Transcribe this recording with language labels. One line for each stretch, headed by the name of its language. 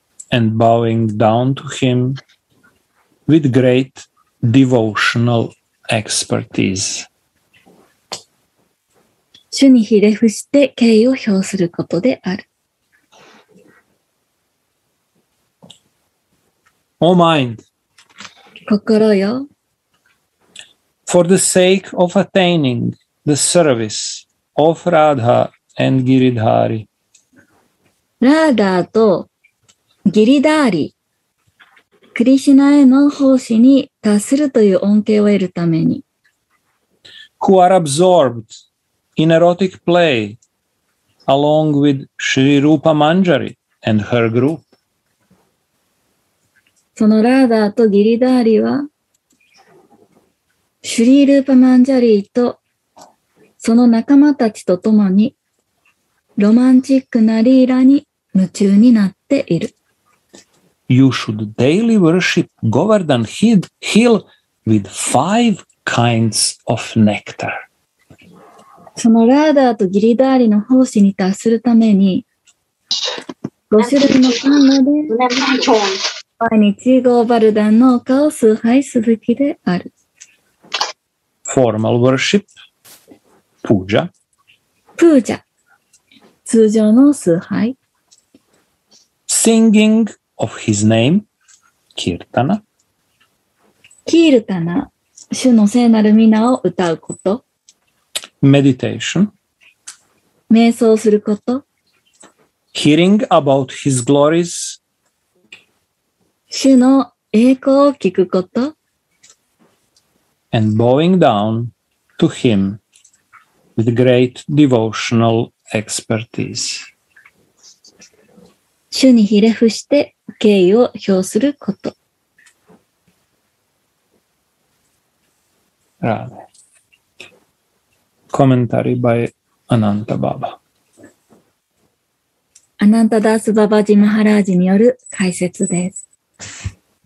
English: And bowing down to him with great devotional expertise.
Japanese: 主にひれ伏して敬意を表することである。
English: O mind,
Japanese: 心よ。
English: For the sake of attaining the service of Radha and Giridhari.
Japanese: Radha とギリダーリ、クリシュナへの奉仕に達するという恩恵を得るために。
English: Who are absorbed in erotic play along with Shri Rupa Manjari and her group.
Japanese: そのラーダーとギリダーリは、シュリールーパマンジャリーと、その仲間たちと共に、ロマンチックなリーラに夢中になっている。
English: You should daily worship Govardhan Hill with five kinds of nectar.
Japanese: そのラーダーとギリダーリの奉仕に達するために、五種類のパンで、毎日ゴーバルダンの丘を崇拝すべきである。
English: Formal worship, puja.
Japanese: Puja, 通常の崇拝。
English: Singing of his name, kirtana.
Japanese: Kirtana, 主の聖なる皆を歌うこと。
English: Meditation,
Japanese: 瞑想すること。
English: Hearing about his glories.
Japanese: 主の栄光を聞くこと。
English: And bowing down to him with great devotional expertise.
Japanese: 主にひれ伏して敬意を表すること。
English: Radhe. Commentary by Ananta Baba.
Japanese: Ananta Das Babaji Maharaj による解説です。